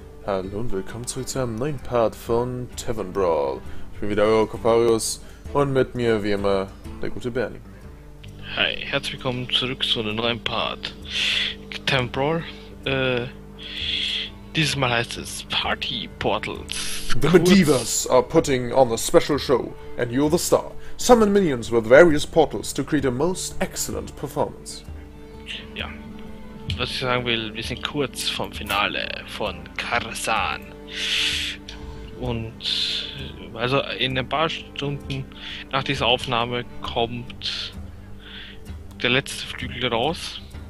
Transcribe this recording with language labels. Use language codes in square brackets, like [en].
[de] Hallo und willkommen zurück zu einem neuen Part von Tavern Brawl. Ich bin wieder euer Koparius und mit mir wie immer der gute Bernie. Hi, herzlich willkommen zurück zu einem neuen Part Tavern Brawl. Dieses Mal heißt es Party Portals. [en] The Medivas are putting on a special show and you're the star. Summon minions with various portals to create a most excellent performance. [de] Ja. Was ich sagen will, wir sind kurz vom Finale von Karazhan. Und also in ein paar Stunden nach dieser Aufnahme kommt der letzte Flügel raus.